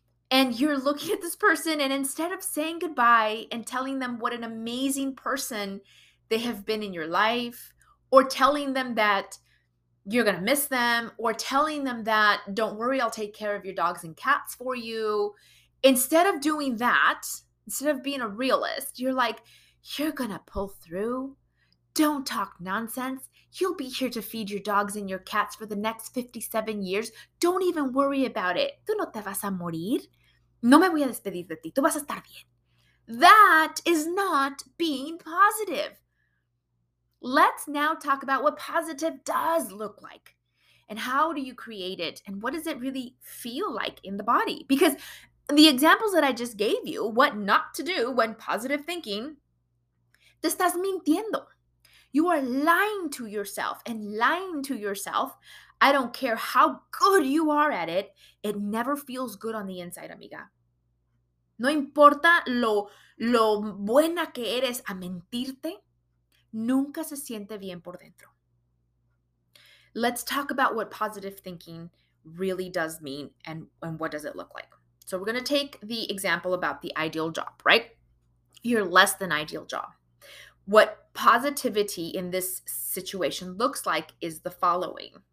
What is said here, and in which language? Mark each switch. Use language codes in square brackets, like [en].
[en] And you're looking at this person, and instead of saying goodbye and telling them what an amazing person they have been in your life, or telling them that you're going to miss them, or telling them that, don't worry, I'll take care of your dogs and cats for you. Instead of doing that, instead of being a realist, you're like, you're going to pull through. Don't talk nonsense. You'll be here to feed your dogs and your cats for the next 57 years. Don't even worry about it. [es] Tú no te vas a morir. No me voy a despedir de ti. Tú vas a estar bien. [en] That is not being positive. Let's now talk about what positive does look like and how do you create it and what does it really feel like in the body? Because the examples that I just gave you, what not to do when positive thinking, [es] te estás mintiendo. [en] You are lying to yourself, and lying to yourself, I don't care how good you are at it, it never feels good on the inside, amiga. [es] No importa lo buena que eres a mentirte, nunca se siente bien por dentro. [en] Let's talk about what positive thinking really does mean and what does it look like. So we're going to take the example about the ideal job, right? Your less than ideal job. What positivity in this situation looks like is the following.